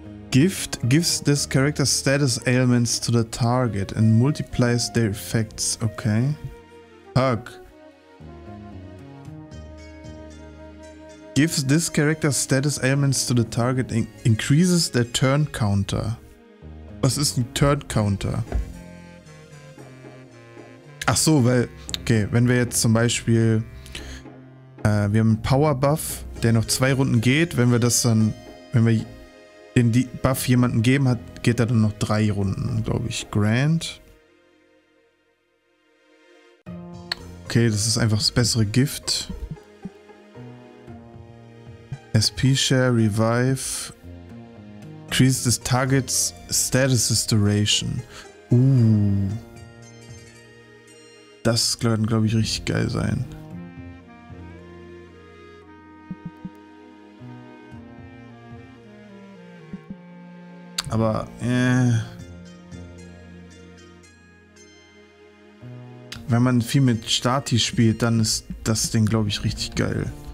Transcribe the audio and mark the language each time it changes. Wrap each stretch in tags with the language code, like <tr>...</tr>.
<en>Gift gives this character status ailments to the target and multiplies their effects. Okay. Hug. Gives this character status ailments to the target and increases their turn counter.</en> <de>Was ist ein Turn counter? Ach so, weil... Okay, wenn wir jetzt zum Beispiel... wir haben einen Power Buff, der noch zwei Runden geht. Wenn wir das dann... Wenn wir... den Buff jemanden geben hat, geht er dann noch drei Runden, glaube ich. Grant. Okay, das ist einfach das bessere Gift.</de> <en>SP Share, Revive. Increase the target's status duration.</en> <de>Das kann, glaube ich, richtig geil sein. Aber, wenn man viel mit Stati spielt, dann ist das Ding, glaube ich, richtig geil.</de>